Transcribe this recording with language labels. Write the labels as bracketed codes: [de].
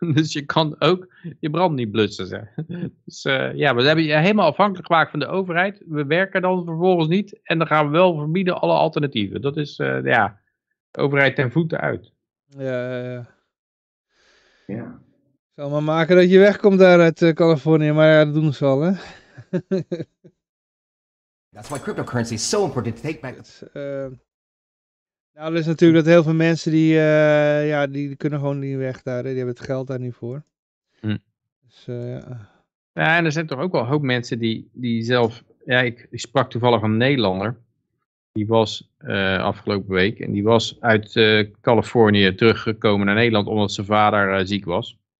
[nl] Dus je kan ook je brand niet blussen. Zeg. Dus we hebben je helemaal afhankelijk gemaakt van de overheid. We werken dan vervolgens niet. En dan gaan we wel verbieden alle alternatieven. Dat is de overheid ten voeten uit. Ja. Ik zal maar maken dat je wegkomt daar uit Californië, maar ja, dat doen ze al, hè. [en] That's why cryptocurrency is so important to take back. [nl] Dat is natuurlijk dat heel veel mensen die kunnen gewoon niet weg daar, hè. Die hebben het geld daar niet voor. Hmm. Dus, en er zijn toch ook wel een hoop mensen die zelf, ik sprak toevallig een Nederlander, die was afgelopen week, en die was uit Californië teruggekomen naar Nederland omdat zijn vader ziek was.